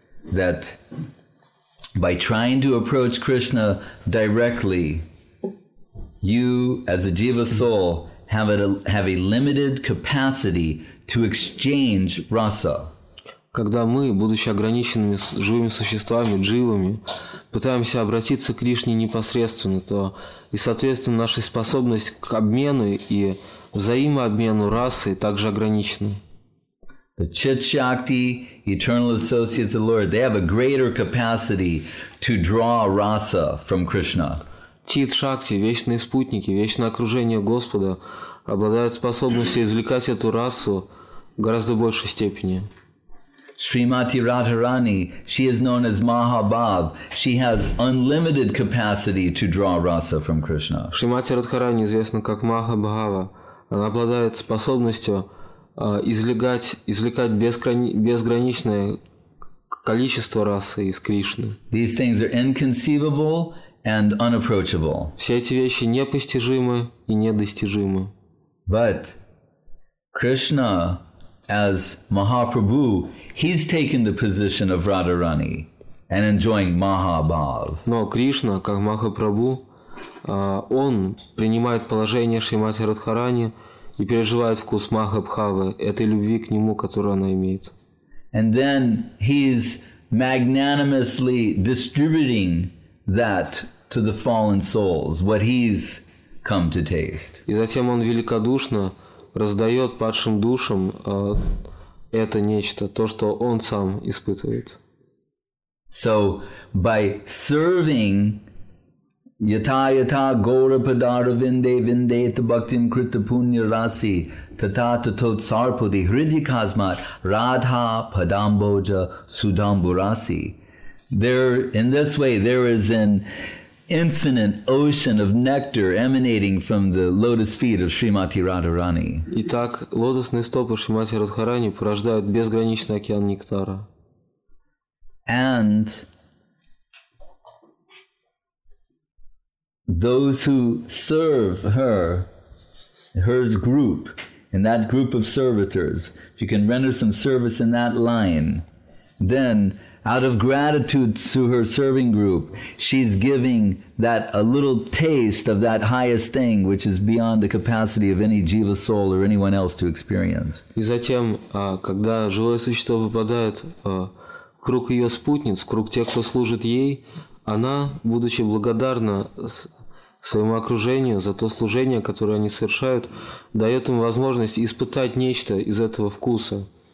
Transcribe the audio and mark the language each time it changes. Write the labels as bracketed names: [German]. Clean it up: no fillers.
[English] That by trying to approach Krishna directly, you as a jiva soul have a limited capacity to exchange rasa. [Russian] Когда мы, будучи ограниченными живыми существами, дживами, пытаемся обратиться к Кришне непосредственно, то и соответственно наша способность к обмену и взаимообмену расы также ограничена. [English] The Chit-Shakti, eternal associates of the Lord, they have a greater capacity to draw rasa from Krishna. [Russian] Чит-Шакти, вечные спутники, вечное окружение Господа обладают способностью извлекать эту расу в гораздо большей степени. [English] Shrimati Radharani, she is known as Mahabhav. She has unlimited capacity to draw rasa from Krishna. [Russian] Shrimati Radharani известна как Mahabhava. Она обладает способностью извлекать безграничное количество расы из Кришны. [English] These things are inconceivable and unapproachable. [Russian] Все эти вещи непостижимы и недостижимы. [English] But Krishna, as Mahaprabhu, he's taken the position of Radharani and enjoying Mahabhav. [Russian] Но Кришна, как Махапрабху, он принимает положение Шримати Радхарани и переживает вкус Махабхавы, этой любви к нему, которую она имеет. [English] And then he's magnanimously distributing that to the fallen souls, what he's come to taste. [Russian] И затем он великодушно раздает падшим душам это нечто, то, что он сам испытывает. [English] So, by serving [Sanskrit] yata yata gora padara vinde vinde ta bhaktim krita punya rasi tata tatot sarpudi hridi kasmat radha padamboja sudamburasi, [English] there, in this way, there is an infinite ocean of nectar emanating from the lotus feet of Srimati Radharani. [Russian] Итак, лотосные стопы Шримати Радхарани порождают безграничный океан нектара. [English] And those who serve her group, in that group of servitors, if you can render some service in that line, then out of gratitude to her serving group, she's giving that a little taste of that highest thing, which is beyond the capacity of any jiva soul or anyone else to experience. [Russian] И затем, когда живое существо попадает в круг ее спутниц, в круг тех, кто служит ей, она, будучи благодарна своему окружению за то служение, которое они совершают, дает им возможность испытать нечто из этого вкуса.